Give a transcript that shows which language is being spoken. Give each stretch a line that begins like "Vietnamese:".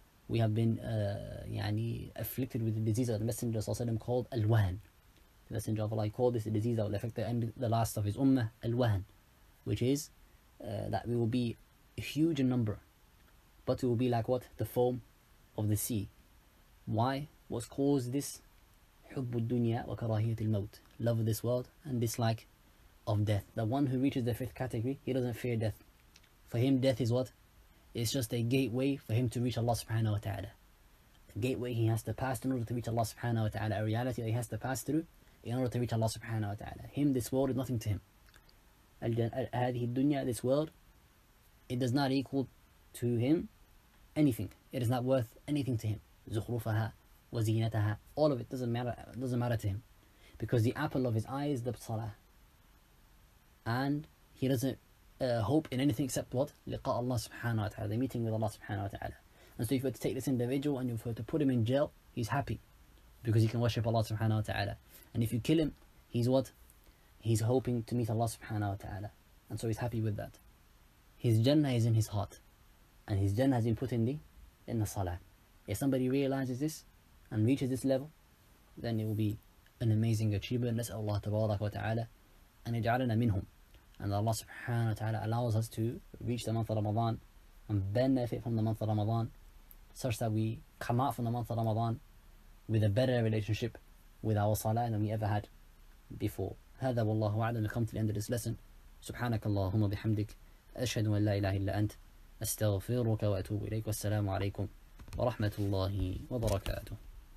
English: We have been afflicted with a disease that the Messenger called Al-Wahn. The Messenger of Allah called this a disease that will affect the end, the last of his ummah, Al-Wahn, which is that we will be a huge in number, but it will be like what? The foam of the sea. Why? What's caused this?
Arabic: حب الدنيا وكراهية الموت.
English: Love of this world and dislike of death. The one who reaches the fifth category, he doesn't fear death. For him, death is what? It's just a gateway for him to reach Allah subhanahu wa ta'ala. A gateway he has to pass in order to reach Allah subhanahu wa ta'ala. A reality that he has to pass through in order to reach Allah subhanahu wa ta'ala. Him, this world is nothing to him.
Arabic: هذه الدنيا,
English: this world, it does not equal to him anything. It is not worth anything to him.
Arabic: زخرفها وزينتها,
English: all of it doesn't matter to him. Because the apple of his eye is the salah. And he doesn't hope in anything except what?
Arabic: لقاء الله سبحانه وتعالى,
English: the meeting with Allah
Arabic: سبحانه وتعالى.
English: And so if you were to take this individual and you were to put him in jail, he's happy because he can worship Allah سبحانه وتعالى. And if you kill him, he's what? He's hoping to meet Allah سبحانه وتعالى. And so he's happy with that. His Jannah is in his heart. And his Jannah has been put in the Salah. If somebody realizes this and reaches this level, then it will be an amazing achievement.
Arabic: نسأل الله تبارك وتعالى أن يجعلنا منهم.
English: And Allah subhanahu wa ta'ala allows us to reach the month of Ramadan and benefit from the month of Ramadan, such that we come out from the month of Ramadan with a better relationship with our salah than we ever had before.
Arabic: هذا والله أعلم.
English: We come to the end of this lesson.
Arabic: سبحانك اللهم بحمدك أشهد أن لا إله إلا أنت أستغفرك وأتوب إليك. والسلام عليكم ورحمة الله وبركاته.